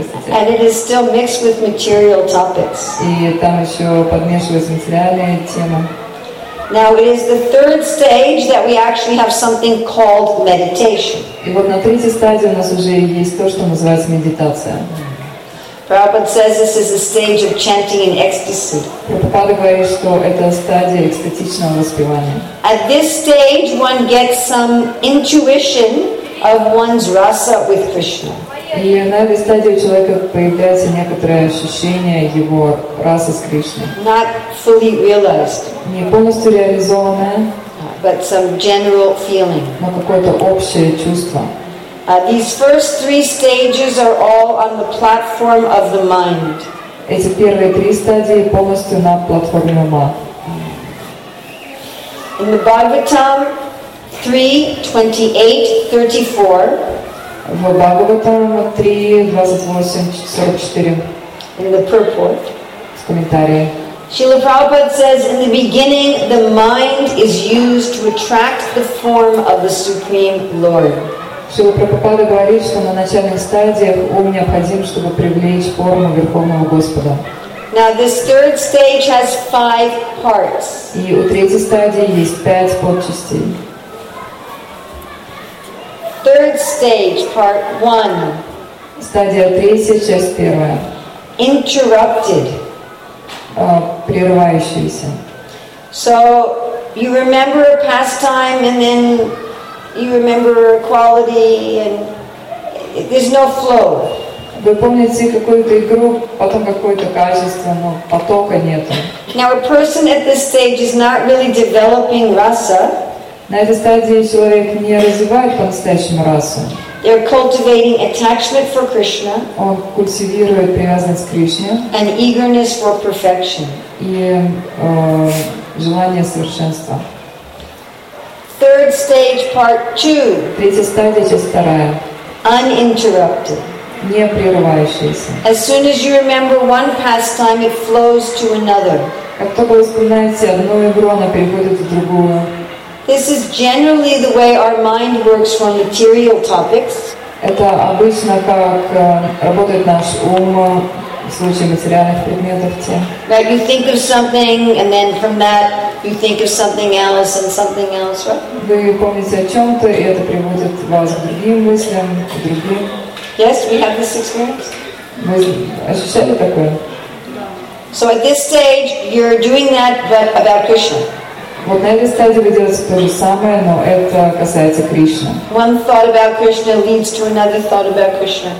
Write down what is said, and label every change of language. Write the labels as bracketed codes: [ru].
[en] And it is still mixed with material topics. [ru] И там еще подмешивается материальная тема. [en] Now it is the third stage that we actually have something called meditation. [ru] И вот на третьей стадии у нас уже есть то, что называется медитация. [en] Prabhupada says this is a stage of chanting in ecstasy. [ru] Прабхупада говорит, что это стадия экстатичного воспевания. [en] At this stage, one gets some intuition of one's rasa with Krishna. [ru] И на этой стадии у человека появляется некоторое ощущение его расы с Кришной. [en] Not fully realized. [ru] Не полностью реализованное. [en] But some general feeling. [ru] Но какое-то общее чувство. [en] These first three stages are all on the platform of the mind. [ru] Эти первые три стадии полностью на платформе ума. [en] In the Bhagavatam 3:28-34. [ru] В Бхагаватам 3:28-44. [en] In the purport. [ru] В комментарии. [en] Srila Prabhupada says, in the beginning, the mind is used to attract the form of the Supreme Lord. [ru] Srila Prabhupada говорит, что на начальных стадиях ум необходим, чтобы привлечь форму Верховного Господа. [en] Now this third stage has five parts. [ru] И у третьей стадии есть пять подчастей. [en] Third stage, part one. [ru] Стадия третья, часть первая. [en] Interrupted. [ru] Прерывающаяся. [en] So you remember a pastime, and then you remember a quality, and there's no flow. [ru] Вы помните какую-то игру, потом какое-то качество, но потока нету. [en] Now a person at this stage is not really developing rasa. [ru] На этой стадии человек не развивает по-настоящему расу. [en] They're cultivating attachment for Krishna. [ru] Он культивирует привязанность к Кришне. [en] And eagerness for perfection. [ru] И желание совершенства. [en] Third stage, part two. [ru] Третья стадия, часть вторая. [en] Uninterrupted. [ru] Не прерывающаяся. [en] As soon as you remember one pastime, it flows to another. [ru] Как только вы вспоминаете одну игру, она переходит в другую. [en] This is generally the way our mind works for material topics. [ru] Это обычно как работает наш ум в случае материальных предметов. [en] Right, you think of something, and then from that you think of something else and something else, right? [ru] Вы помните о чем-то, и это приводит вас к другим мыслям, к другим. [en] Yes, we have this experience. [ru] Вы ощущали такое? [en] So at this stage you're doing that, but about Krishna. [ru] Вот на этой стадии вы делаете то же самое, но это касается Кришны. [en] One thought about Krishna leads to another thought about Krishna.